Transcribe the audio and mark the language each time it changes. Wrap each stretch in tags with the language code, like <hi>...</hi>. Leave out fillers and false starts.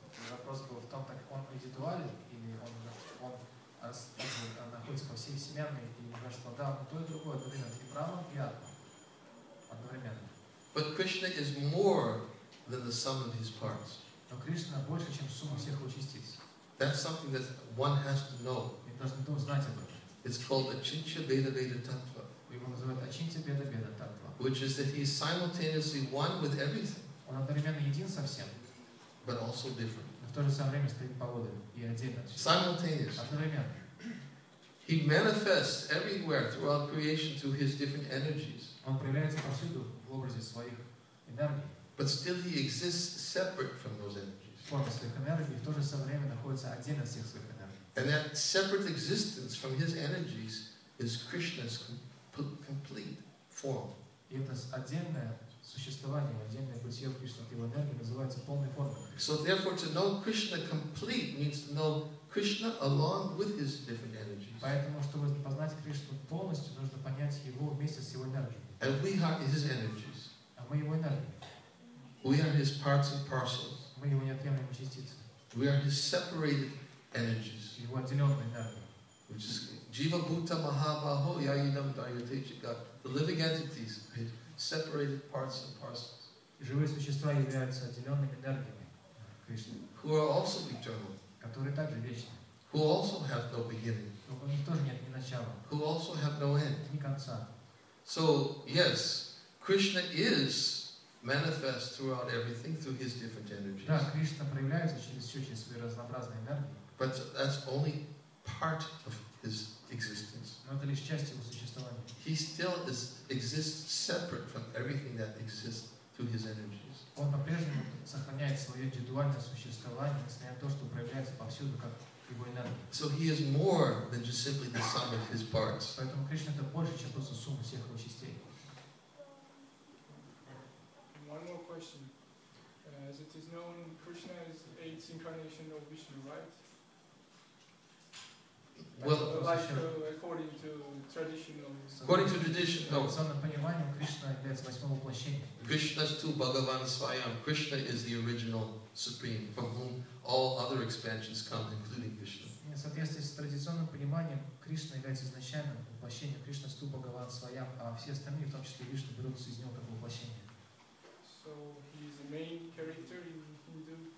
<ru>Вопрос был в том, так как он индивидуален или он находится во всей вселенной, и говорит, что да, то и другое одновременно, и Брахман, и Атман одновременно.</ru> <en>But Krishna is more than the sum of his parts.</en> <ru>Но Кришна больше, чем сумма всех его частиц.</ru> <en>That's something that one has to know.</en> <ru>И должен кто знать об этом.</ru> <en>It's called Achintya Bheda Bheda Tattva.</en> <ru>Его называют Achintya Bheda Bheda Tattva.</ru> <en>Which is that he is simultaneously one with everything.</en> <ru>Он одновременно един со всем.</ru> <en>But also different.</en> <ru>В то же самое время стоит погода и отдельно.</ru> <en>Simultaneously.</en> <ru>Одновременно.</ru> <en>He manifests everywhere throughout creation through his different energies.</en> <ru>Он проявляется повсюду в образе своих энергий.</ru> <en>But still he exists separate from those energies.</en> <ru>Форма своих энергий в то же самое время находится отдельно от всех своих энергий.</ru> <en>And that separate existence from his energies is Krishna's complete form.</en> <ru>И это отдельное существование, отдельное бытие Кришны от его энергии называется полной формой.</ru> <en>So therefore, to know Krishna complete means to know Krishna along with his different energies.</en> <ru>Поэтому, чтобы познать Кришну полностью, нужно понять его вместе с его энергией.</ru> <en>And we are his energies.</en> <ru>А мы его энергия.</ru> <en>We are his parts and parcels.</en> <ru>Мы его неотъемлемые частицы.</ru> <en>We are his separated energies.</en> <ru>Его отделенная энергия.</ru> <en>Which is</en> <sa>jiva bhuta mahabaho yayinam dayate jagat.</sa> <en>The living entities, right? Separated parts and parcels.</en> <ru>Живые существа являются отделенными энергиями.</ru> <en>Who are also eternal.</en> <ru>Которые также вечны.</ru> <en>Who also have no beginning.</en> <ru>У них тоже нет ни начала.</ru> <en>Who also have no end.</en> <ru>Ни конца.</ru> <en>So, yes, Krishna is manifest throughout everything through his different energies.</en> <ru>Да, Кришна проявляется через все, через свои разнообразные энергии.</ru> <en>But that's only part of his existence.</en> <ru>Но это лишь часть его существования.</ru> <en>He still exists separate from everything that exists through his energies.</en> <ru>Он по-прежнему сохраняет свое индивидуальное существование, несмотря на то, что проявляется повсюду, как его энергия.</ru> <en>So he is more than just simply the sum of his parts.</en> <ru>Поэтому Кришна — это больше, чем просто сумма всех его частей.</ru> <en>One more question. As it is known, Krishna is eighth incarnation of Vishnu, right? Well, according to tradition, no. According to</en> <ru>понимание, Кришна является восьмым воплощением.</ru> <en>Krishna is to Bhagavan Swayam. Krishna is the original supreme, from whom all other expansions come, including Vishnu.</en> <ru>В соответствии с традиционным пониманием, Кришна является изначальным воплощением.</ru> <en>Krishna is to Bhagavan Swayam,</en> <ru>а все остальные, в том числе Вишну, берутся из него как воплощение.</ru> <en>So he is the main character in Hindu</en>